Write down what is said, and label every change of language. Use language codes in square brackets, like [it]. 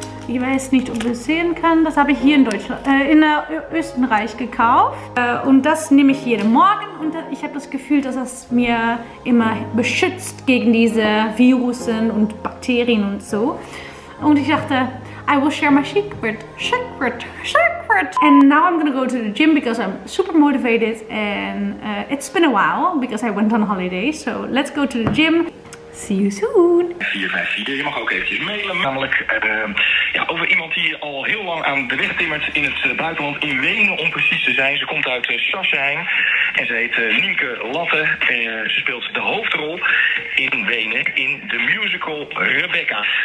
[de] Ich weiß nicht, ob ihr es sehen könnt. Das habe ich hier in Deutschland, in Österreich gekauft. Und das nehme ich jeden Morgen. Und ich habe das Gefühl, dass das mir immer beschützt gegen diese Virusen und Bakterien und so. Und ich dachte, [en] I will share my secret, secret, secret. And now I'm gonna go to the gym because I'm super motivated. And it's been a while because I went on holiday. So let's go to the gym. See you soon. [nl] 454, je mag ook eventjes mailen. Namelijk over iemand die al heel lang aan de weg timmert in het buitenland, in Wenen om precies te zijn. Ze komt uit Sassenheim en ze heet Nienke Latten. Ze speelt de hoofdrol in Wenen in de musical Rebecca.